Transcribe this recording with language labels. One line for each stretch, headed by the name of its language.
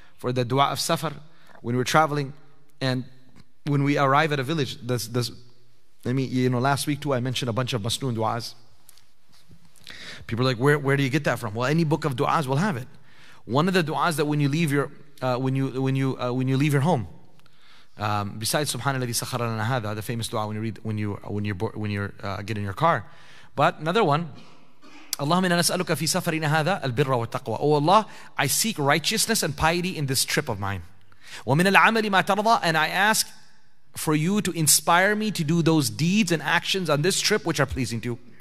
English: For the dua of safar, when we're traveling, and when we arrive at a village, last week too, I mentioned a bunch of masnoon duas. People are like, where do you get that from? Well, any book of duas will have it. One of the duas that when you leave your home, besides Subhanalladhi sakhara lana hadha, the famous dua when you get in your car. But another one,
Arabic: اللهم إنا نسألك في سفرنا هذا البر والتقوى.
English: Oh Allah, I seek righteousness and piety in this trip of mine.
Arabic: ومن العمل ما ترضى,
English: and I ask for you to inspire me to do those deeds and actions on this trip which are pleasing to you.